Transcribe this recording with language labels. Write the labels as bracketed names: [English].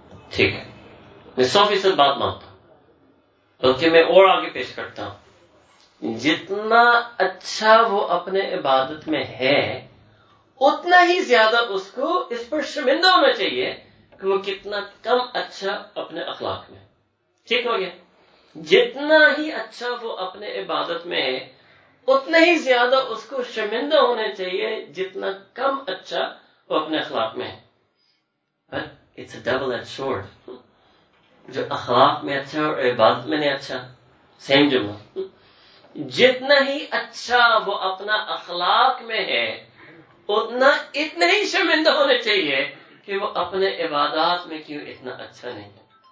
[Urdu] ٹھیک ہے، میں 100% بات مانتا ہوں، بلکہ میں اور آگے پیش کرتا ہوں، جتنا اچھا وہ اپنے عبادت میں ہے اتنا ہی زیادہ اس کو اس پر شرمندہ ہونا چاہیے کہ وہ کتنا کم اچھا اپنے اخلاق میں. ٹھیک ہو گیا، جتنا ہی اچھا وہ اپنے عبادت میں ہے اتنا ہی زیادہ اس کو شرمندہ ہونا چاہیے جتنا کم اچھا وہ اپنے اخلاق میں ہے. [English] But it's a double-edged sword. [Urdu] جو اخلاق میں اچھا اور عبادت میں نہیں اچھا، سیم جملہ، جتنا ہی اچھا وہ اپنا اخلاق میں ہے اتنا اتنا ہی شرمندہ ہونا چاہیے کہ وہ اپنے عبادات میں کیوں اتنا اچھا نہیں ہے.